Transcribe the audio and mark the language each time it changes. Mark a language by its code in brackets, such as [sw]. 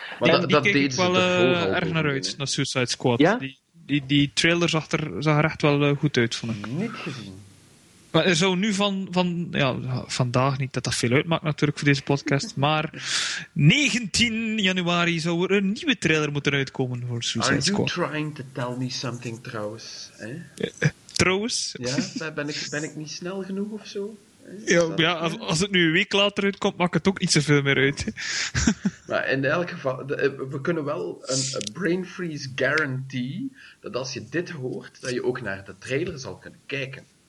[nl] Maar dat deed ze ervoor al. Ik kijk wel erg naar uit, naar Suicide Squad. Ja? Die trailer zag er echt wel goed uit, vond ik. Niet gezien. Maar er zou nu vandaag niet dat veel uitmaakt natuurlijk voor deze podcast, maar 19 januari zou er een nieuwe trailer moeten uitkomen voor Suicide Squad. [en] Are you trying to tell me something trouwens? [nl] Trouwens? Ja, ben ik niet snel genoeg of zo? Als het nu een week later uitkomt, maakt het ook niet zoveel meer uit. Maar in elk geval, we kunnen wel een [en] brain freeze guarantee [nl] dat als je dit hoort, dat je ook naar de trailer zal kunnen kijken.